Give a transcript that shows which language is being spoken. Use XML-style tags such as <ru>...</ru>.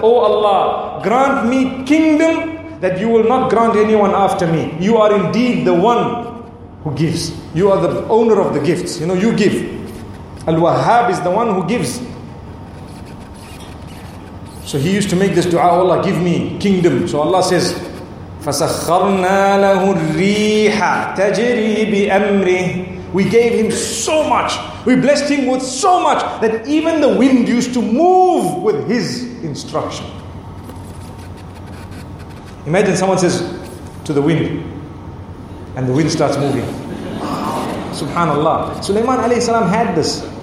<en>Oh Allah, grant me kingdom that you will not grant anyone after me. You are indeed the one who gives. You are the owner of the gifts. You know, you give. Al-Wahhab is the one who gives. So he used to make this dua, Allah, give me kingdom.</en> <ar>So Allah says, فَسَخَّرْنَا لَهُ الرِّيحَ تَجْرِي بِأَمْرِهِ.</ar> <en>We gave him so much. We blessed him with so much that even the wind used to move with his instruction. Imagine someone says to the wind, and the wind starts moving. Subhanallah. Sulaiman alayhi salam had this.</en>